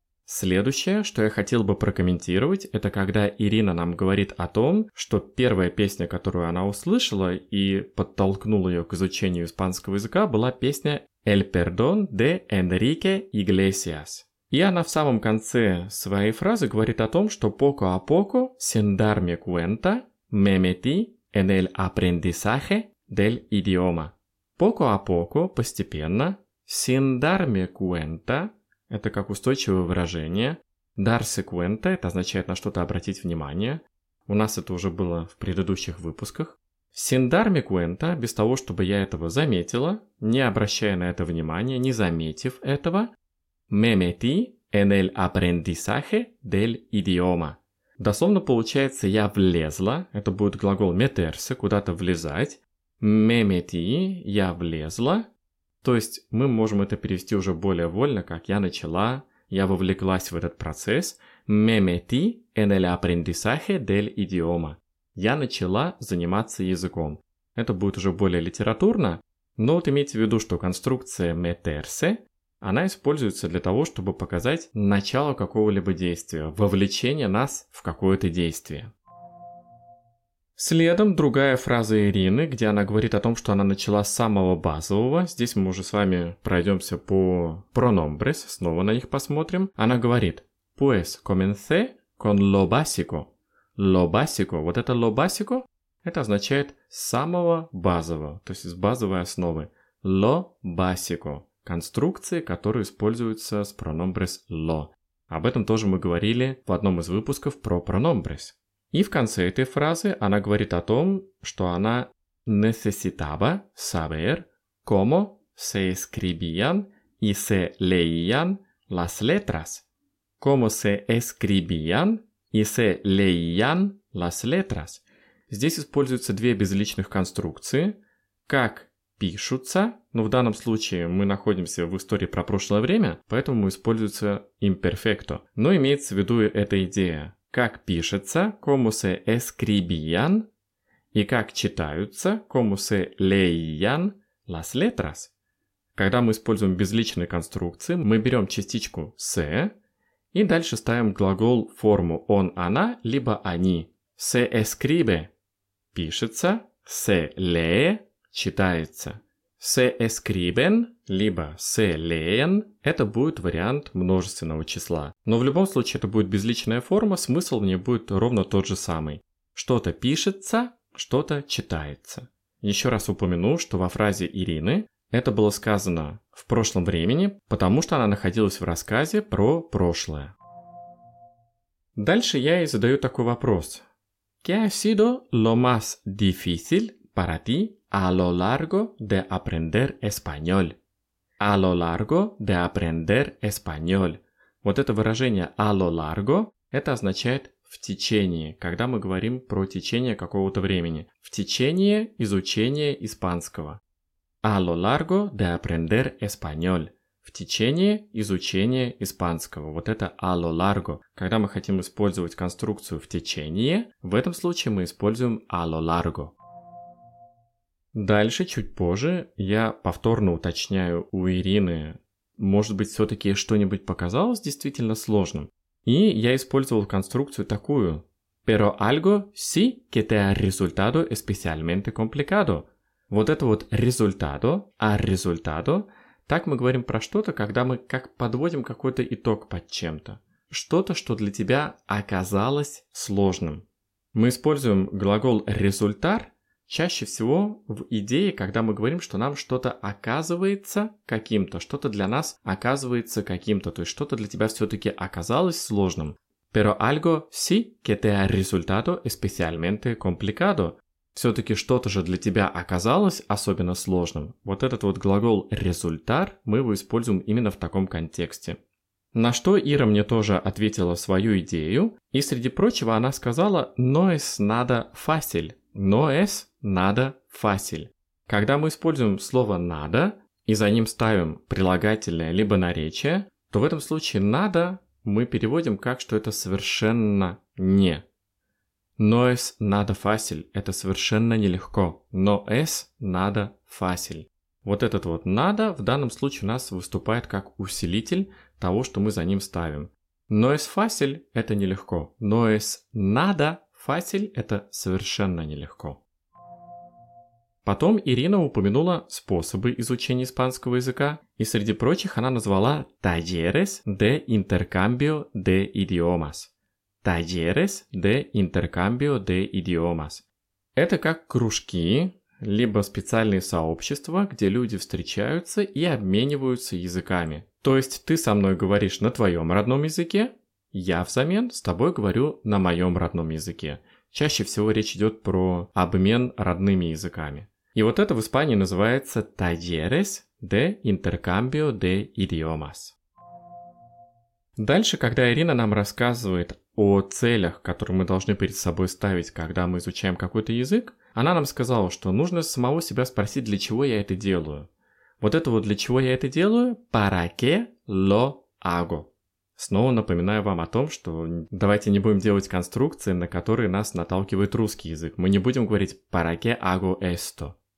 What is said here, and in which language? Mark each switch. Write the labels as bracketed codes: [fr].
[ru] Следующее, что я хотел бы прокомментировать, это когда Ирина нам говорит о том, что первая песня, которую она услышала и подтолкнула ее к изучению испанского языка, была песня «El perdón de Enrique Iglesias». И она в самом конце своей фразы говорит о том, что [es] poco a poco, sin darme cuenta, me metí en el aprendizaje del idioma. Poco a poco, [ru] постепенно, [es] sin darme cuenta, [ru] это как устойчивое выражение, [es] darse cuenta, [ru] это означает на что-то обратить внимание, У нас это уже было в предыдущих выпусках. Синдар Микуэнта, без того, чтобы я этого заметила, не обращая на это внимания, не заметив этого, [es] «Me metí en el aprendizaje del idioma». [ru] Дословно получается «я влезла», это будет глагол «meterse», куда-то влезать. [es] «Me metí», [ru] «я влезла». То есть мы можем это перевести уже более вольно, как «я начала», «я вовлеклась в этот процесс». [es] «Me metí en el aprendizaje del idioma». [ru] «Я начала заниматься языком». Это будет уже более литературно, но вот имейте в виду, что конструкция «meterse», она используется для того, чтобы показать начало какого-либо действия, вовлечение нас в какое-то действие. Следом другая фраза Ирины, где она говорит о том, что она начала с самого базового. Здесь мы уже с вами пройдемся по pronombres, снова на них посмотрим. Она говорит [es] «Pues comencé con lo básico». «Lo básico», [ru] вот это «lo básico», это означает «самого базового», то есть с базовой основы. [es] «Lo básico». [ru] Конструкции, которые используются с pronombres lo. Об этом тоже мы говорили в одном из выпусков про pronombres. И в конце этой фразы она говорит о том, что она [es] necesitaba saber cómo se escribían y se leían las letras. Cómo se escribían y se leían las letras. [ru] Здесь используются две безличных конструкции. Как пишутся, но в данном случае мы находимся в истории про прошлое время, поэтому используется imperfecto. Но имеется в виду эта идея. Как пишется, [es] como se escribían, [ru] и как читаются, [es] como se leían las letras. [ru] Когда мы используем безличные конструкции, мы берем частичку se, и дальше ставим глагол в форму он, она, либо они. [es] Se escribe – пишется, se lee – читается. Se escriben, [ru] либо [es] se leen, [ru] это будет вариант множественного числа. Но в любом случае это будет безличная форма, смысл в ней будет ровно тот же самый. Что-то пишется, что-то читается. Еще раз упомяну, что во фразе Ирины это было сказано в прошлом времени, потому что она находилась в рассказе про прошлое. Дальше я ей задаю такой вопрос. [es] ¿Qué ha sido lo más difícil para ti a lo largo de aprender español? A lo largo de aprender español. [ru] Вот это выражение [es] a lo largo, [ru] это означает в течение, когда мы говорим про течение какого-то времени. В течение изучения испанского. [es] A lo largo de aprender español. [ru] В течение изучения испанского. Вот это [es] a lo largo. [ru] Когда мы хотим использовать конструкцию в течение, в этом случае мы используем [es] a lo largo. [ru] Дальше, чуть позже, я повторно уточняю у Ирины, может быть, все-таки что-нибудь показалось действительно сложным. И я использовал конструкцию такую. [es] Pero algo sí que te ha resultado especialmente complicado. [ru] Вот это вот resultado, a resultado, так мы говорим про что-то, когда мы как подводим какой-то итог под чем-то. Что-то, что для тебя оказалось сложным. Мы используем глагол resultar, чаще всего в идее, когда мы говорим, что нам что-то оказывается каким-то, что-то для нас оказывается каким-то, то есть что-то для тебя все-таки оказалось сложным. [es] Pero algo sí que te ha resultado especialmente complicado. [ru] Все-таки что-то же для тебя оказалось особенно сложным. Вот этот вот глагол resultar мы его используем именно в таком контексте. На что Ира мне тоже ответила свою идею, и среди прочего она сказала [es] «No es nada fácil». «No es nada fácil». [ru] Когда мы используем слово «надо» и за ним ставим прилагательное либо наречие, то в этом случае «надо» мы переводим как, что это совершенно не. [es] «No es nada fácil» — [ru] это совершенно нелегко. [es] «No es nada fácil». [ru] Вот этот вот «надо» в данном случае у нас выступает как усилитель того, что мы за ним ставим. [es] «No es fácil» — [ru] это нелегко. [es] «No es nada fácil» — [ru] это совершенно нелегко. Потом Ирина упомянула способы изучения испанского языка, и среди прочих она назвала [es] «talleres de intercambio de idiomas». «Talleres de intercambio de idiomas». [ru] Это как кружки, либо специальные сообщества, где люди встречаются и обмениваются языками. То есть ты со мной говоришь на твоем родном языке, я взамен с тобой говорю на моем родном языке. чаще всего речь идет про обмен родными языками. И вот это в Испании называется [es] «talleres de intercambio de idiomas». [ru] Дальше, когда Ирина нам рассказывает о целях, которые мы должны перед собой ставить, когда мы изучаем какой-то язык, она нам сказала, что нужно самого себя спросить, для чего я это делаю. Вот это вот «для чего я это делаю» — [es] «para qué lo hago». [ru] Снова напоминаю вам о том, что давайте не будем делать конструкции, на которые нас наталкивает русский язык. Мы не будем говорить [es] «para qué hago esto».